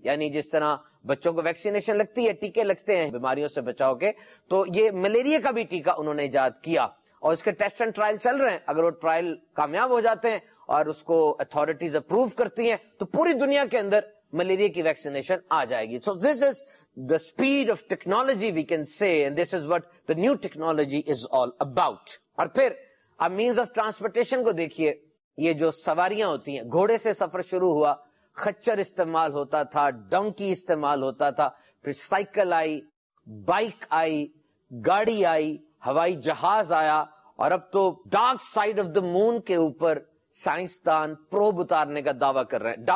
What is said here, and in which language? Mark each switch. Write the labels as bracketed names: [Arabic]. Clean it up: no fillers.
[Urdu] یعنی جس طرح بچوں کو ویکسینیشن لگتی ہے, ٹیکے لگتے ہیں بیماریوں سے بچاؤ کے, تو یہ ملیریا کا بھی ٹیکا انہوں نے ایجاد کیا اور اس کے ٹیسٹ اینڈ ٹرائل چل رہے ہیں. اگر وہ ٹرائل کامیاب ہو جاتے ہیں اور اس کو اتھارٹیز اپروو کرتی ہیں تو پوری دنیا کے اندر ملیریا کی ویکسینیشن آ جائے گی. [English] So this is the speed of technology we can say, and this is what the new technology is all about. [Urdu] اور پھر اب مینز آف ٹرانسپورٹیشن کو دیکھیے, یہ جو سواریاں ہوتی ہیں, گھوڑے سے سفر شروع ہوا, خچر استعمال ہوتا تھا, ڈنکی استعمال ہوتا تھا, پھر سائیکل آئی, بائک آئی, گاڑی آئی, ہوائی جہاز آیا, اور اب تو ڈارک سائڈ آف دا مون کے اوپر سائنسدان پروب اتارنے کا دعویٰ کر رہے ہیں.